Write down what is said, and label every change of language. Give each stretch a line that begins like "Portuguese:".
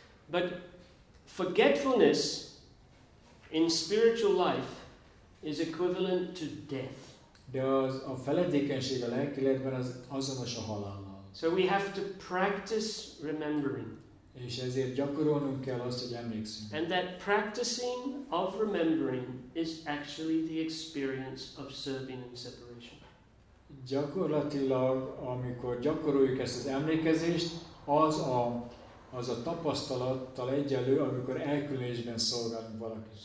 English: But forgetfulness in spiritual life is equivalent to death.
Hungarian: De az a feledékenység a lelki életben az azonos a halállal.
English: So we have to practice remembering.
Hungarian: És ezért gyakorolnunk kell azt, hogy emlékszünk.
English: And that practicing of remembering is actually the experience of serving and separation.
Hungarian: Gyakorlatilag, amikor gyakoroljuk ezt az emlékezést, az a tapasztalattal egyenlő, amikor elkülönésben szolgálunk valakit.